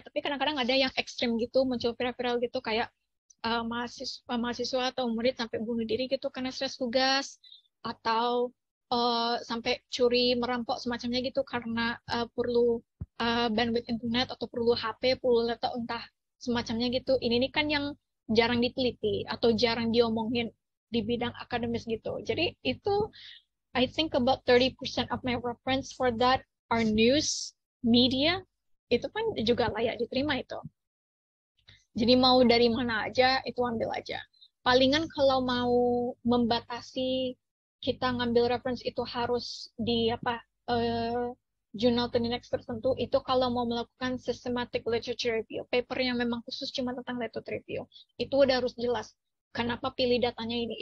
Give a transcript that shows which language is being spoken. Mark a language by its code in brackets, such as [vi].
[id] Tapi kadang-kadang ada yang ekstrim gitu, muncul viral-viral gitu kayak mahasiswa atau murid sampai bunuh diri gitu karena stres tugas atau sampai curi merampok semacamnya gitu karena perlu bandwidth internet atau perlu HP, perlu laptop, entah semacamnya gitu. Ini kan yang jarang diteliti atau jarang diomongin di bidang akademis gitu. Jadi itu [en] I think about 30% of my reference for that are news media. [id] Itu kan juga layak diterima itu. Jadi mau dari mana aja itu ambil aja. Palingan kalau mau membatasi kita ngambil reference itu harus di apa jurnal terindeks tertentu, itu kalau mau melakukan systematic literature review, paper yang memang khusus cuma tentang literature review, itu udah harus jelas kenapa pilih datanya ini.